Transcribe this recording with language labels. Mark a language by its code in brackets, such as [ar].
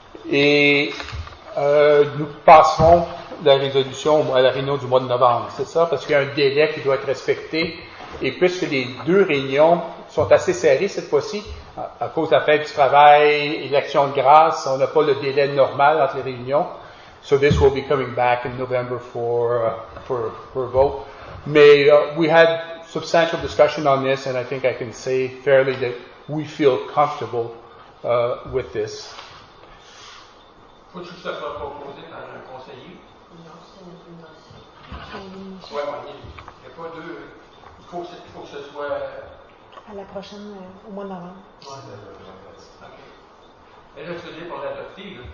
[fr] Et nous passerons la résolution à la réunion du mois de novembre, c'est ça? Parce qu'il y a un délai qui doit être respecté. Et puisque les deux réunions sont assez serrées cette fois-ci, à cause de la fête du travail et l'action de grâce, on n'a pas le délai normal entre les réunions. [en] So this will be coming back in November for a vote. But we had substantial discussion on this, and I think I can say fairly that we feel comfortable with this. [fr] Faut-il que ça soit proposé par un conseiller? Non, c'est une motion. Oui, il n'y a pas deux. Il faut que ce soit... À la prochaine, au mois d'avance. Et là, tu veux dire pour l'adopter, là?